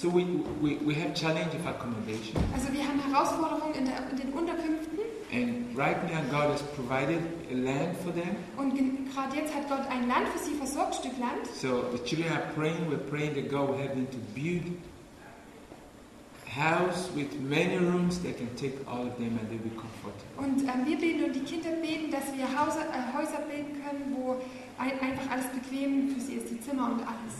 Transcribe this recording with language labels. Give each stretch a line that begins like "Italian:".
English: So we have challenge of accommodation.
German: Also wir haben Herausforderungen in den Unterkünften.
English: And right now God has provided a land for them.
German: Und gerade jetzt hat Gott ein Land für sie versorgt, ein Stück Land.
English: So the children are praying. We're praying that God will help them to build house with many rooms, they can take all of them and they'll be comfortable.
German: Und wir beten und die Kinder beten, dass wir Häuser bilden können, wo einfach alles bequem für sie ist, die Zimmer und alles.